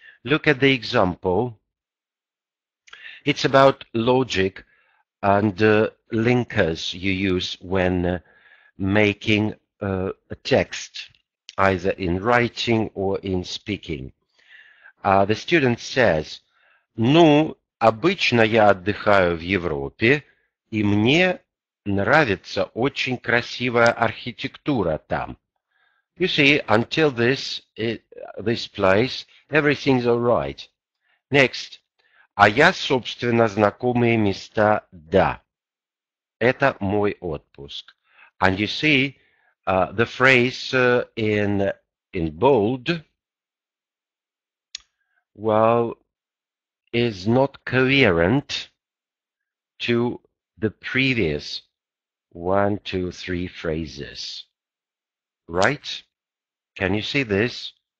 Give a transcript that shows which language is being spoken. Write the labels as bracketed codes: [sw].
[en] Look at the example. It's about logic and linkers you use when making a text, either in writing or in speaking. The student says, [ru] "Ну, обычно я отдыхаю в Европе, и мне нравится очень красивая архитектура там." [en] You see, until this place, everything's all right. Next, [ru] "А я, собственно, знакомые места, да. Это мой отпуск." [en] And you see the phrase in bold, well, is not coherent to the previous one, two, three phrases. Right? Can you see this?